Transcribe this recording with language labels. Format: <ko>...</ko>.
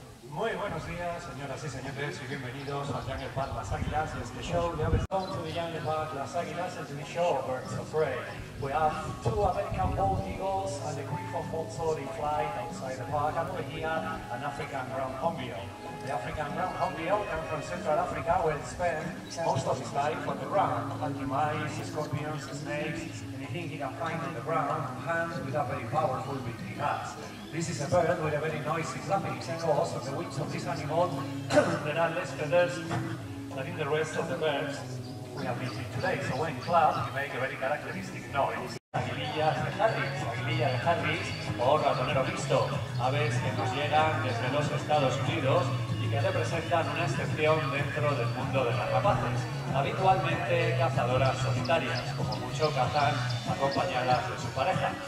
<es>Muy buenos días, señoras y señores, y bienvenidos a Jungle Park Las Águilas. Es el show de aves.</es> <en>Welcome to the Jungle Park Las Águilas.</en> <es>Es el</es> <en>show of birds of prey. We have two American bald eagles and a group of also in flight outside the park. And over here, an African ground hornbill. The African ground hornbill comes from Central Africa, where it spends most of its life on the ground, hunting mice, scorpions, snakes, anything he can find on the ground, and hands with a very powerful beak he has. This is a bird with a very noisy clapping because of the wings of this animal, there are less feathers than in the rest of the birds we are meeting today. So when clap, you make a very characteristic noise.</en> <es>Aguilillas de Harris, o ratonero visto, aves que nos llegan desde los Estados Unidos y que representan una excepción dentro del mundo de las rapaces, habitualmente cazadoras solitarias, como mucho cazan acompañadas de su pareja.</es>